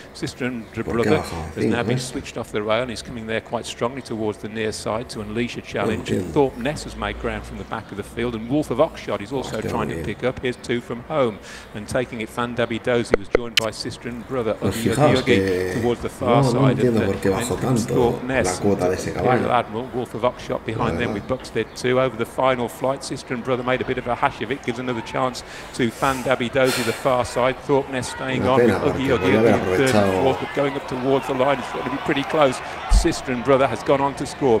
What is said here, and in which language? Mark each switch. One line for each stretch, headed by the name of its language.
English: Sister and Brother has now been switched off the rail and is coming there quite strongly towards the near side to unleash a challenge. And Thorpe Ness has made ground from the back of the field, and Wolf of Oxshot is also trying to pick up. Here's two from home, and taking it, Fan Dabby Dozy was joined by Sister and Brother Oggy Oggy Oggy towards the far side.
Spanish: No entiendo por qué bajó tanto la cuota de ese caballo.
English: Wolf of Oxshot behind them with Buxted too over the final flight. Sister and Brother made a bit of a hash of it, gives another chance to Fan Dabby Dozy the far side. Thorpe Ness staying on with Oggy Oggy Oggy in third and fourth, but going up towards the line, it's going to be pretty close. Sister and Brother has gone on to score.